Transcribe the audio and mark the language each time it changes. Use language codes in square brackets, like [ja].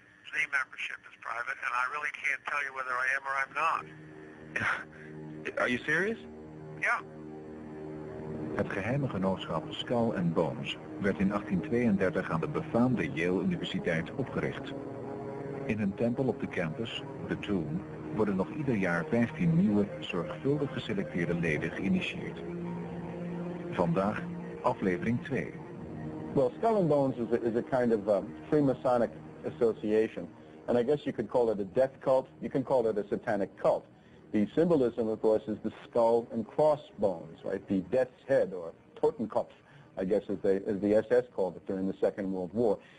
[en] The membership is private, and I really can't tell you whether I am or I'm not. Are you serious? [nl] Ja. Het geheime genootschap Skull and Bones werd in 1832 aan de befaamde Yale Universiteit opgericht. In een tempel op de campus, The Tomb, worden nog ieder jaar 15 nieuwe, zorgvuldig geselecteerde leden geïnitieerd. Vandaag, aflevering 2. [en] Well, Skull and Bones is a kind of Freemasonic association. And I guess you could call it a death cult. You can call it a satanic cult. The symbolism, of course, is the skull and crossbones, right? The death's head, or Totenkopf, I guess, as the SS called it during the Second World War.